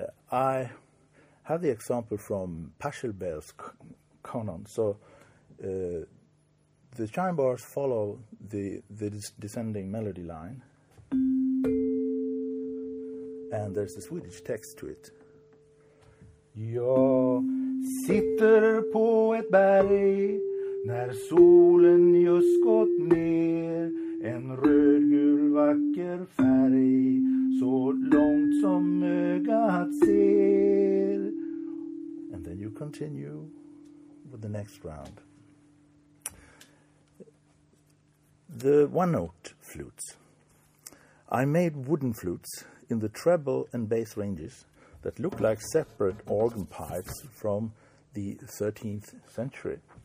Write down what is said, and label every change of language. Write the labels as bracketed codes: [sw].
[en] I have the example from Pachelbel's Canon. So the chime bars follow the descending melody line, and there's a Swedish text to it. [sv] Jag sitter på ett berg när solen just gått ner, en rödgul vacker färg så långt som ögat ser. [en] And then you continue with the next round. The one-note flutes. I made wooden flutes in the treble and bass ranges that look like separate organ pipes from the 13th century.